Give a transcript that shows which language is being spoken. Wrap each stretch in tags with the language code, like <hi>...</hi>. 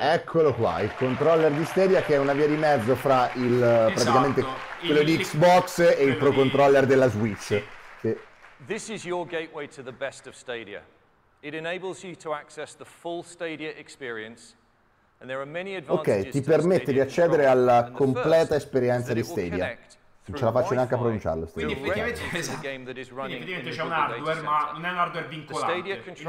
<it>Eccolo qua, il controller di Stadia, che è una via di mezzo fra il praticamente quello di Xbox e il pro controller della Switch.</it> <en>This is your gateway to the best of Stadia. It enables you to access the full Stadia experience. And there are many advantages.</en> <it>Ok, ti permette di accedere alla completa esperienza di Stadia. Non ce la faccio neanche a pronunciarlo. Quindi effettivamente c'è un hardware, ma non è un hardware vincolante.</it>